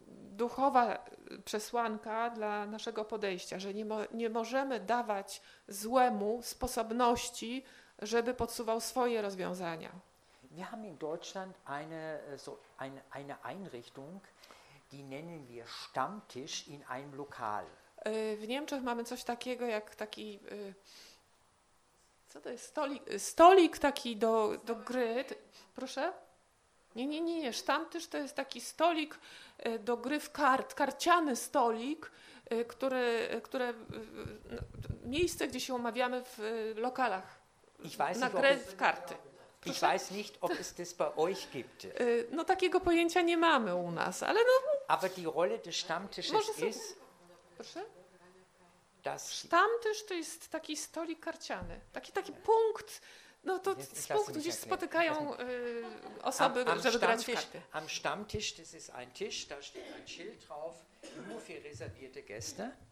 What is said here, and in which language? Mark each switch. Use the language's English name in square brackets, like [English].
[Polish] duchowa przesłanka dla naszego podejścia, że nie możemy dawać złemu sposobności, żeby podsuwał swoje rozwiązania. [German] Wir haben in Deutschland eine Einrichtung, die nennen wir Stammtisch in einem Lokal. [Polish] W Niemczech mamy coś takiego jak taki co to jest stolik taki do gry. Proszę. Nie, Stammtisch to jest taki stolik do gry w kart, karciany stolik, które miejsce, gdzie się umawiamy w lokalach. Na grę w karty. [German] Ich weiß nicht, ob es das bei euch gibt. [Polish] No takiego pojęcia nie mamy u nas, ale no. [German] Aber die Rolle des Stammtisches ist. [Polish] Proszę. Stammtisch to jest taki stolik karciany, taki punkt. No to z punktu, gdzie spotykają osoby, żeby grać w karty. [German] Am Stammtisch, das ist ein Tisch, da steht ein Schild drauf, nur für reservierte Gäste.